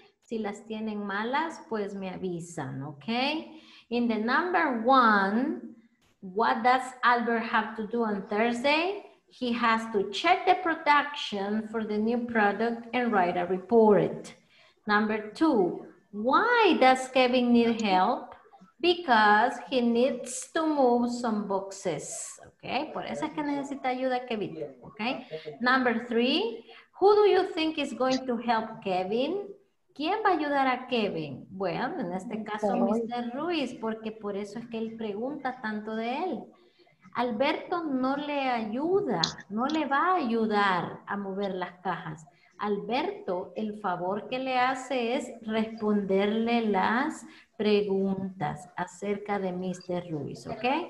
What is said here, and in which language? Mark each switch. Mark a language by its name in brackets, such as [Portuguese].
[Spanish] Si las tienen malas, pues me avisan, okay? [English] In the number one, what does Albert have to do on Thursday? He has to check the production for the new product and write a report. Number two, why does Kevin need help? Because he needs to move some boxes, okay? [Spanish] Por eso es que necesita ayuda Kevin, okay? [English] Number three, who do you think is going to help Kevin? [Spanish] ¿Quién va a ayudar a Kevin? Bueno, en este caso, Mr. Ruiz, porque por eso es que él pregunta tanto de él. Alberto no le ayuda, no le va a ayudar a mover las cajas. Alberto, el favor que le hace es responderle las preguntas acerca de Mr. Ruiz, ¿ok?